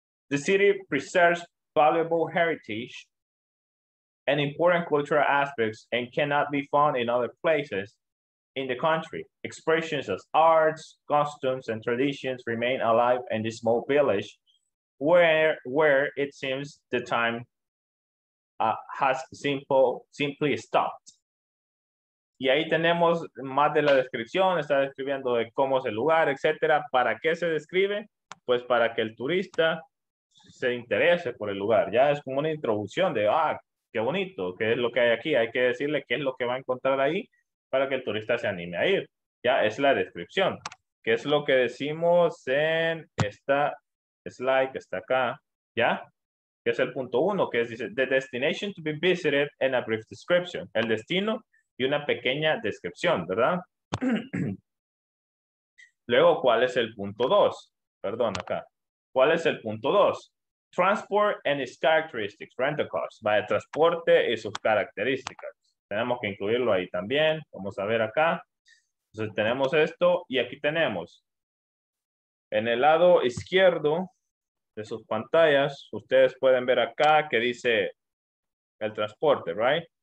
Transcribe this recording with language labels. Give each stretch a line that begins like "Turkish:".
English: The city preserves valuable heritage and important cultural aspects and cannot be found in other places in the country. Expressions of arts, customs, and traditions remain alive in this small village where it seems the time has simply stopped.
Spanish: Y ahí tenemos más de la descripción, está describiendo de cómo es el lugar, etcétera. ¿Para qué se describe? Pues para que el turista se interese por el lugar. Ya es como una introducción de, ah, qué bonito, qué es lo que hay aquí. Hay que decirle qué es lo que va a encontrar ahí para que el turista se anime a ir. Ya es la descripción. ¿Qué es lo que decimos en esta slide que está acá? ¿Ya? Que es el punto uno, que es, dice,
English: the destination to be visited and a brief description.
Spanish: El destino. Y una pequeña descripción, ¿verdad? Luego, ¿cuál es el punto 2? Perdón, acá. ¿Cuál es el punto 2?
English: Transport and its characteristics, rental cars.
Spanish: Va de transporte y sus características. Tenemos que incluirlo ahí también. Vamos a ver acá. Entonces, tenemos esto. Y aquí tenemos. En el lado izquierdo de sus pantallas, ustedes pueden ver acá que dice el transporte, ¿right?